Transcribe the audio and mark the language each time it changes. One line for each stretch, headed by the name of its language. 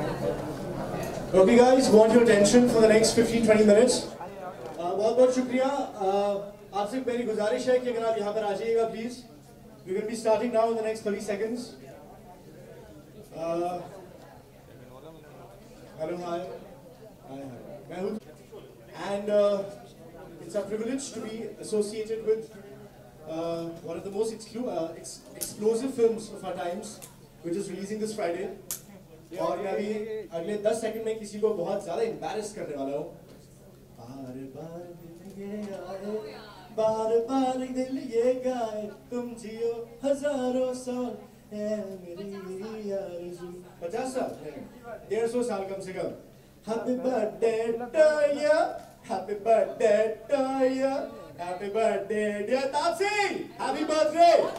English: Okay guys, want your attention for the next 15-20 minutes.
Hindi: बहुत बहुत शुक्रिया. आपसे मेरी गुजारिश है कि अगर आप यहाँ पर आ जाइएगा please.
English: We're going to be starting now in the next 30 seconds. Hello, hi. Hi. And it's a privilege to be associated with one of the most explosive films of our times, which is releasing this Friday.
Hindi: और मैं अभी अगले 10 second में किसी को बहुत ज्यादा embarrass करने वाला हूँ. बार बार दिल ये आए, बार बार दिल ये गाए, तुम जियो हजारों साल, ए मेरी आरज़ू. 50 साल, 150 साल कम से कम.
English: Happy birthday to you, happy birthday to you, happy birthday dear Taapsee, happy birthday.